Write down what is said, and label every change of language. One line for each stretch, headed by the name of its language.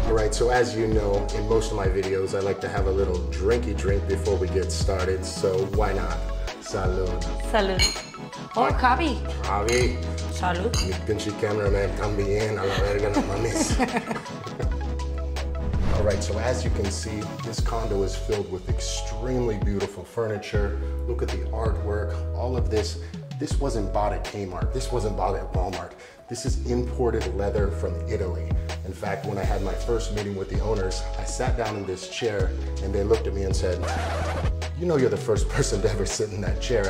English: So as you know, in most of my videos, I like to have a little drinky drink before we get started, so why not?
Spanish: Salud. Salud. Oh, Javi. Javi. Salud. Mi pinche cameraman también a la verga no mames.
English: All right, so as you can see, this condo is filled with extremely beautiful furniture. Look at the artwork, all of this. This wasn't bought at Kmart. This wasn't bought at Walmart. This is imported leather from Italy. In fact, when I had my first meeting with the owners, I sat down in this chair and they looked at me and said, you know you're the first person to ever sit in that chair.